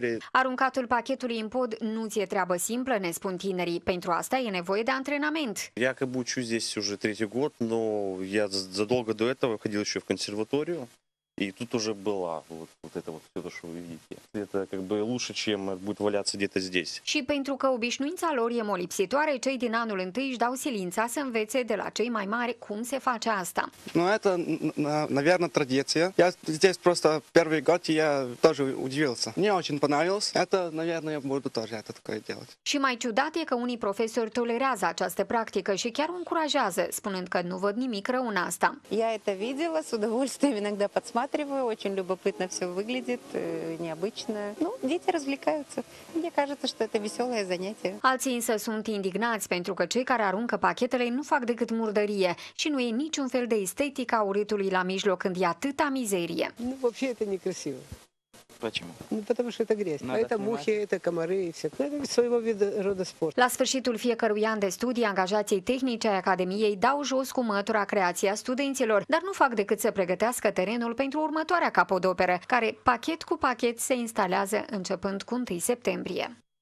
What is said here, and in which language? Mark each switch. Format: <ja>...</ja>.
<ro>Aruncatul pachetului în pod nu ți-e treabă simplă, ne spun tinerii. Pentru asta e nevoie de antrenament.</ro> <ru>Якобы учусь здесь уже третий год, но я задолго до этого ходил еще в консерваторию. И тут уже была вот это вот все то, что вы видите. Это как бы лучше, чем будет валяться где-то здесь.</ru> <ro>Și pentru că obișnuința lor e molipsitoare, cei din anul întâi își dau silința să învețe de la cei mai mari cum se face asta.</ro> <ru>Ну, это, наверное, традиция. Я здесь просто первый год, и я тоже удивился. Мне очень понравилось. Это, наверное, я буду тоже это такое делать.</ru> <ro>Și mai ciudat e că unii profesori tolerează această practică și chiar o încurajează, spunând că nu văd nimic rău în asta.</ro> <ru>Я это видела с удовольствием, иногда под Осматриваю, очень любопытно все выглядит, необычно. Ну, дети развлекаются. Мне кажется, что это веселое занятие.</ru> <ro>Alții însă sunt indignați pentru că cei care aruncă pachetele nu fac decât murdărie și nu e niciun fel de estetică a urâtului la mijloc când e atâta mizerie.</ro> <ru>Ну, вообще это некрасиво. Почему? Ну, потому что это грязь. Надо это мухи, это комары и все. Ну, это своего вида рода спорт.</ru> <ro>La sfârșitul fiecărui an de studii, angajații tehnici ai Academiei dau jos cu mătura creația studenților, dar nu fac decât să pregătească terenul pentru următoarea capodoperă, care pachet cu pachet se instalează începând cu 1 septembrie.</ro>